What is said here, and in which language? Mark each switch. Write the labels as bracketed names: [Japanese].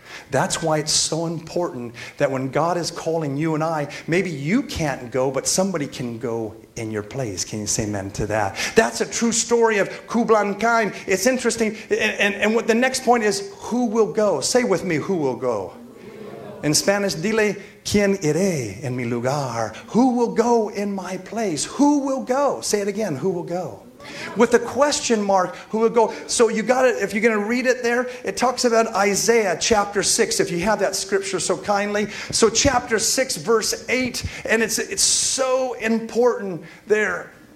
[English] That's why it's so important that when God is calling you and I, maybe you can't go, but somebody can go in your place. Can you say amen to that? That's a true story of Kublai Khan. It's interesting. And what the next point is, who will go? Say with me, who will go? In Spanish, [Spanish] dile, ¿quién iré en mi lugar? [English] Who will go in my place? Who will go? Say it again, who will go? With a question mark, who will go? So you got it. If you're going to read it there, it talks about Isaiah chapter 6, if you have that scripture so kindly. So chapter 6, verse 8, and it's so important there.